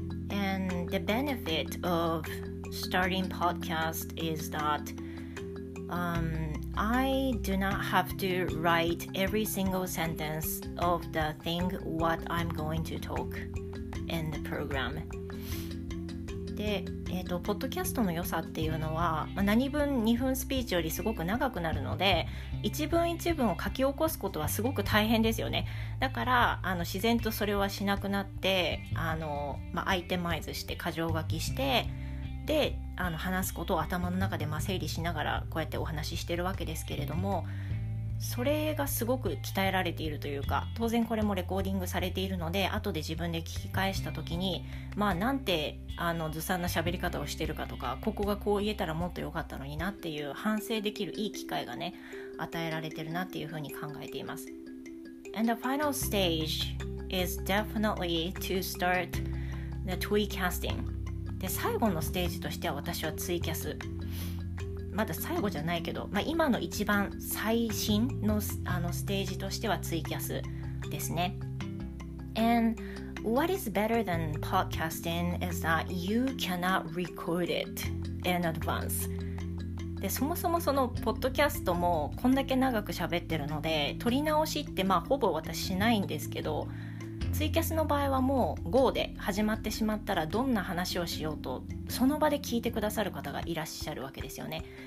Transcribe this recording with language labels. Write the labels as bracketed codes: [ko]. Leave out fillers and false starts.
[en] And the benefit of starting podcast is that、I do not have to write every single sentence of the thing what I'm going to talk in the program。 [ja] で、ポッドキャストの良さっていうのは、まあ、何分2分スピーチよりすごく長くなるので、一文一文を書き起こすことはすごく大変ですよね。だから自然とそれはしなくなって、まあ、アイテマイズして箇条書きして、で話すことを頭の中で、まあ、整理しながらこうやってお話ししてるわけですけれども、それがすごく鍛えられているというか、当然これもレコーディングされているので、後で自分で聞き返した時に、まあなんてずさんな喋り方をしてるかとか、ここがこう言えたらもっと良かったのになっていう反省できるいい機会がね、与えられてるなっていうふうに考えています。 [en] And the final stage is definitely to start the tweecasting。 [ja] で、最後のステージとしては、私はツイキャス、まだ最後じゃないけど、まあ、今の一番最新の、ステージとしてはツイキャスですね。 [en] And what is better than podcasting is that you cannot record it in advance。 [ja] で、そもそもそのポッドキャストもこんだけ長く喋ってるので、撮り直しってまあほぼ私しないんですけど、ツイキャスの場合はもう GO で始まってしまったら、どんな話をしようとその場で聞いてくださる方がいらっしゃるわけですよね。